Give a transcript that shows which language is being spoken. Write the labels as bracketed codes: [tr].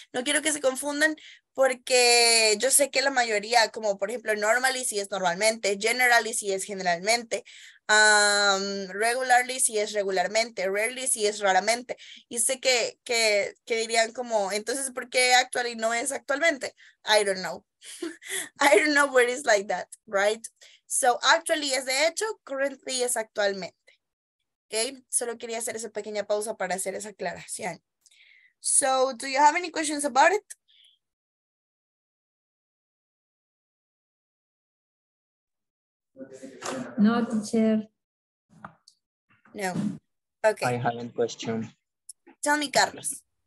[es] No quiero que se confundan. Porque yo sé que la mayoría, como por ejemplo, normally si es normalmente, generally si es generalmente, regularly si es regularmente, rarely si es raramente. Y sé que dirían como, entonces, ¿por qué actually no es actualmente? [en] I don't know. I don't know where it's like that, right? [es] So, actually es de hecho, currently es actualmente. Okay, solo quería hacer esa pequeña pausa para hacer esa aclaración. [en] So, do you have any questions about it? [es] No, teacher. No. Okay. [en] I have a question. Tell me, Carlos.